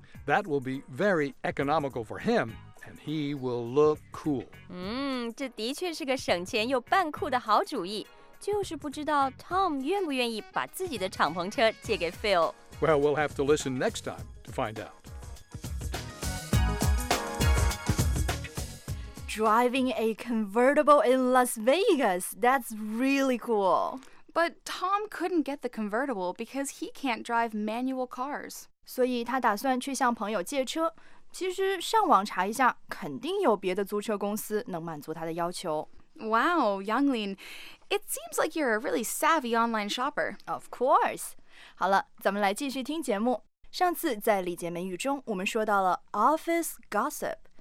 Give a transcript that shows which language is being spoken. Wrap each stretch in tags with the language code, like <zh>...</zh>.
<en>That will be very economical for him, and he will look cool.</en> <zh>这的确是个省钱又扮酷的好主意。就是不知道 Tom 愿不愿意把自己的敞篷车借给 Phil。</zh> <en>Well, we'll have to listen next time to find out. Driving a convertible in Las Vegas, that's really cool. But Tom couldn't get the convertible because he can't drive manual cars.</en> <zh>所以他打算去向朋友借车。其实上网查一下，肯定有别的租车公司能满足他的要求。</zh> <en>Wow, Yanglin, it seems like you're a really savvy online shopper. Of course.</en> <zh>好了，咱们来继续听节目。上次在礼节美语中，我们说到了 office gossip。</zh>